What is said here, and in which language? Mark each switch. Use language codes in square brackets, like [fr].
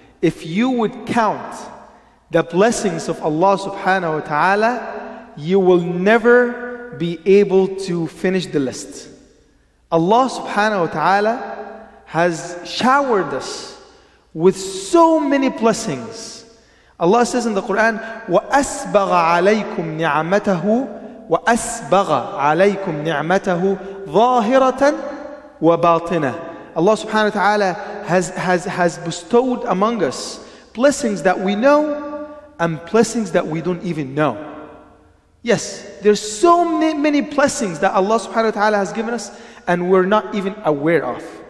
[en] If you would count the blessings of Allah subhanahu wa ta'ala, you will never be able to finish the list. Allah subhanahu wa ta'ala has showered us with so many blessings. Allah says in the Quran, [ar] وَأَسْبَغَ عَلَيْكُمْ نِعْمَتَهُ وَأَسْبَغَ عَلَيْكُمْ نِعْمَتَهُ ظَاهِرَةً وَبَاطِنَةً. [en] Allah subhanahu wa ta'ala has bestowed among us blessings that we know and blessings that we don't even know. Yes, there's so many blessings that Allah subhanahu wa ta'ala has given us and we're not even aware of.